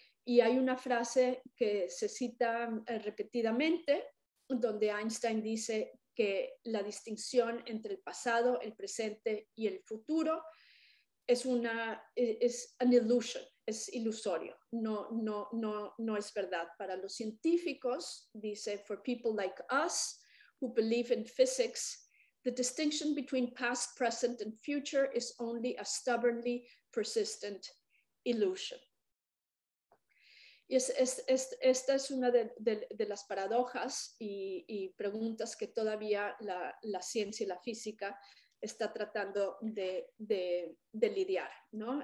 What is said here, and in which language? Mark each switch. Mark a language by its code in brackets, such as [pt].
[es] Y hay una frase que se cita repetidamente, donde Einstein dice que la distinción entre el pasado, el presente y el futuro es [en] an illusion, [es] es ilusorio, no es verdad. Para los científicos, dice, [en] for people like us who believe in physics, the distinction between past, present and future is only a stubbornly persistent illusion. [es] Y esta es una de las paradojas y preguntas que todavía la ciencia y la física está tratando de lidiar, ¿no?